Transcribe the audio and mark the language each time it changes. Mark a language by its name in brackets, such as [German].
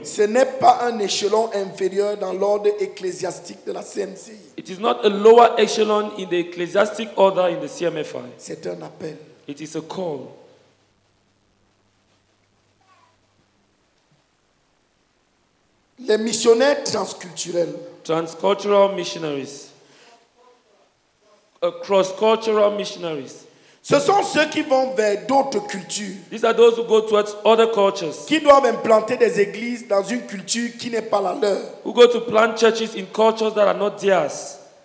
[French] Ce n'est pas un échelon inférieur dans l'ordre ecclésiastique de la CMCI. [English] It is not a lower echelon in the ecclesiastic order in the CMFI. [French] C'est un appel. [English] It is a call. [French] Les missionnaires transculturels. [English] Transcultural missionaries. Cross-cultural missionaries. [French] Ce sont ceux qui vont vers d'autres cultures. [English] These are those who go towards other cultures. [French] Qui doivent implanter des églises dans une culture qui n'est pas la leur. [English] Who go to plant churches in cultures that are not theirs.